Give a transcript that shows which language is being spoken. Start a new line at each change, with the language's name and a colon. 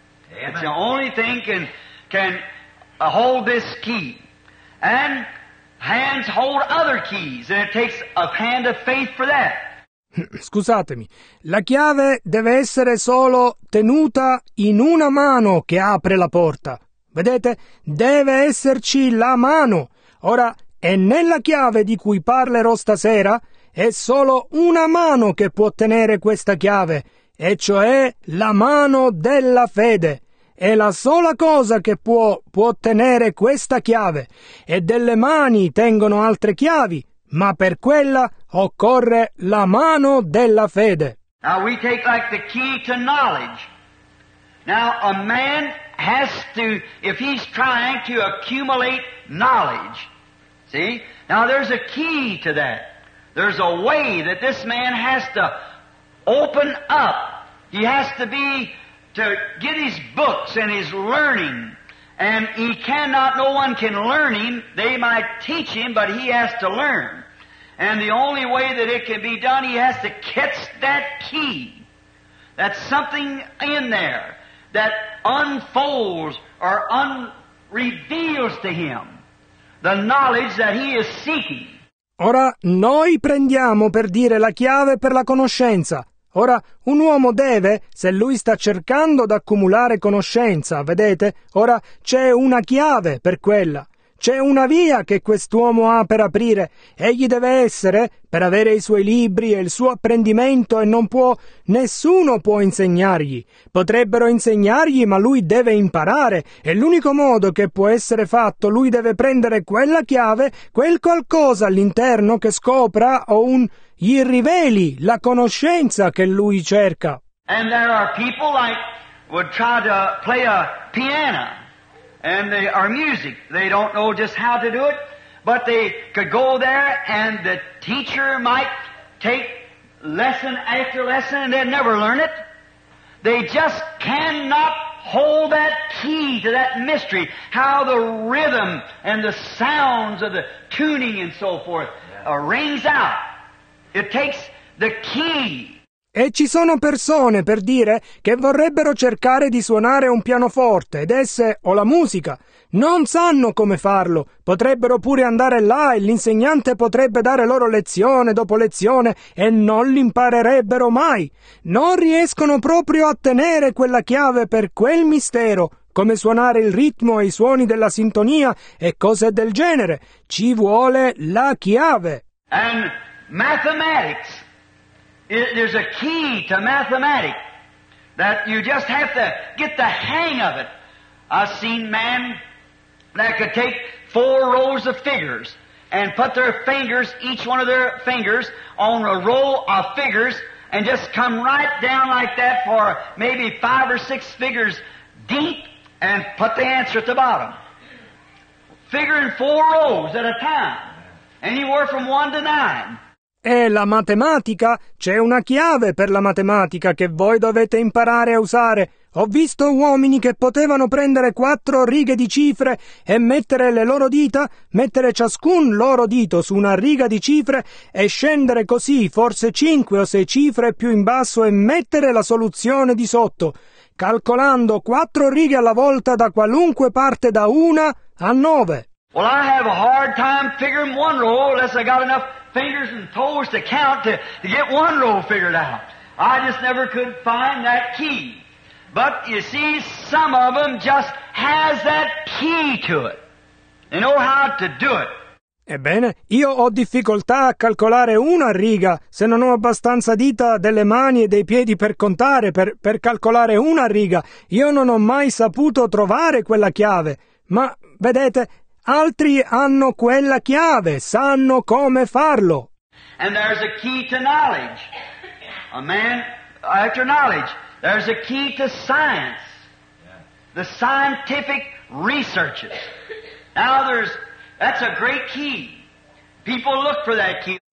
English: Amen. It's the only thing can hold this key. And hands hold other keys, and it takes a hand of faith for that.
Italian: Scusatemi. La chiave deve essere solo tenuta in una mano che apre la porta. Vedete? Deve esserci la mano. Ora, è nella chiave di cui parlerò stasera, è solo una mano che può tenere questa chiave, e cioè la mano della fede. È la sola cosa che può tenere questa chiave. E delle mani tengono altre chiavi, ma per quella occorre la mano della fede.
English: Now we take like the key to knowledge. Now a man has to, if he's trying to accumulate knowledge, see? Now there's a key to that. There's a way that this man has to open up. He has to be to get his books and his learning. And he cannot, no one can learn him. They might teach him, but he has to learn. And the only way that it can be done, he has to catch that key. That's something in there that unfolds or reveals to him the knowledge that he is seeking.
Italian: Ora, noi prendiamo per dire la chiave per la conoscenza. Ora, un uomo deve, se lui sta cercando d'accumulare conoscenza, vedete? Ora, c'è una chiave per quella. C'è una via che quest'uomo ha per aprire. Egli deve essere, per avere i suoi libri e il suo apprendimento, e non può, nessuno può insegnargli. Potrebbero insegnargli, ma lui deve imparare. E l'unico modo che può essere fatto, lui deve prendere quella chiave, quel qualcosa all'interno che scopra o un... gli riveli la conoscenza che lui cerca.
English: And there are people like would try to play a piano and they are music. They don't know just how to do it, but they could go there and the teacher might take lesson after lesson and they'd never learn it. They just cannot hold that key to that mystery, how the rhythm and the sounds of the tuning and so forth rings out. It takes the key.
Italian: E ci sono persone, per dire, che vorrebbero cercare di suonare un pianoforte, ed esse, o la musica, non sanno come farlo. Potrebbero pure andare là e l'insegnante potrebbe dare loro lezione dopo lezione e non l'imparerebbero mai. Non riescono proprio a tenere quella chiave per quel mistero, come suonare il ritmo e i suoni della sintonia e cose del genere. Ci vuole la chiave.
English: And... mathematics, there's a key to mathematics that you just have to get the hang of it. I've seen man that could take four rows of figures and put their fingers, each one of their fingers, on a row of figures and just come right down like that for maybe five or six figures deep and put the answer at the bottom. Figuring four rows at a time, anywhere from one to nine.
Italian: E la matematica, c'è una chiave per la matematica che voi dovete imparare a usare. Ho visto uomini che potevano prendere quattro righe di cifre e mettere le loro dita, mettere ciascun loro dito su una riga di cifre e scendere così forse cinque o sei cifre più in basso e mettere la soluzione di sotto, calcolando quattro righe alla volta da qualunque parte da una a nove.
English: Well, I have a hard time figuring one row unless I got enough fingers and toes to count to get one row figured out. I just never could find that key. But you see, some of them just has that key to it. They know how to do it.
Italian: Ebbene, io ho difficoltà a calcolare una riga se non ho abbastanza dita delle mani e dei piedi per contare, per calcolare una riga. Io non ho mai saputo trovare quella chiave. Ma, vedete... altri hanno quella chiave, sanno come farlo.
English: And there's a key to knowledge. A man after knowledge. There's a key to science. The scientific researches. Now there's, that's a great key. People look for that key.